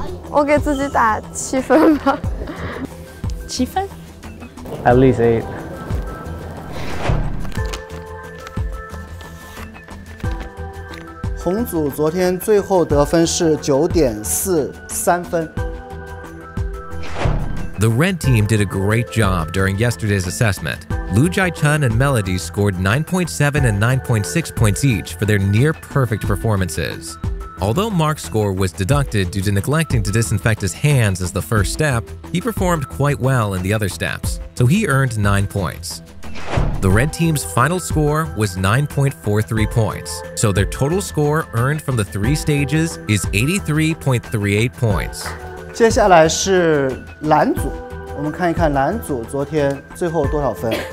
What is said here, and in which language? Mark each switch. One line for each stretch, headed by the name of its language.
Chinese: 我给自己打七分吧。七分
English: ？At least eight。
Chinese: 红组昨天最后得分是9.43分。
English: The red team did a great job during yesterday's assessment. Lu Jiachun and Melody scored 9.7 and 9.6 points each for their near perfect performances. Although Mark's score was deducted due to neglecting to disinfect his hands as the first step, he performed quite well in the other steps, so he earned 9 points. The red team's final score was 9.43 points, so their total score earned from the 3 stages is 83.38 points.
Chinese: 接下来是蓝组，我们看一看蓝组昨天最后多少分。